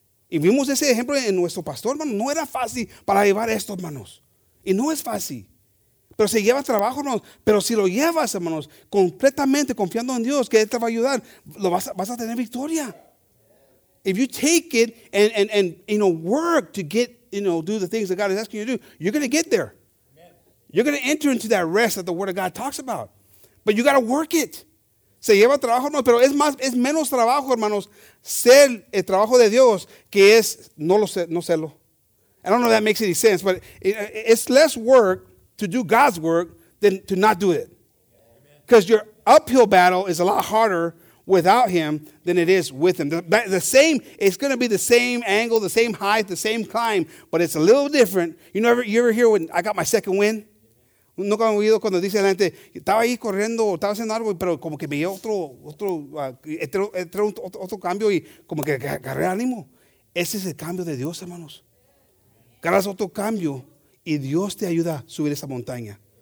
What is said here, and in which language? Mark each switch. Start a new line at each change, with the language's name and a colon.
Spanish: Y vimos ese ejemplo en nuestro pastor, hermanos. No era fácil para llevar esto, hermanos. Y no es fácil. Pero se lleva trabajo, hermanos. Pero si lo llevas, hermanos, completamente confiando en Dios, que Él te va a ayudar, vas a tener victoria.
English: If you take it and you know, work to get, you know, do the things that God is asking you to do, you're going to get there. Amen. You're going to enter into that rest that the Word of God talks about. But you got to work it.
Spanish: Se lleva trabajo, hermanos, pero es menos trabajo, hermanos, ser el trabajo de Dios que es no serlo.
English: I don't know if that makes any sense, but it's less work to do God's work than to not do it. Because your uphill battle is a lot harder without him than it is with him. The same, it's going to be the same angle, the same height, the same climb, but it's a little different. You ever hear when I got my second wind?
Spanish: No han oído cuando dice la gente, estaba ahí corriendo, estaba haciendo algo, pero como que veía otro cambio y como que agarré ánimo. Ese es el cambio de Dios, hermanos. Agarras otro cambio y Dios te ayuda a subir esa montaña.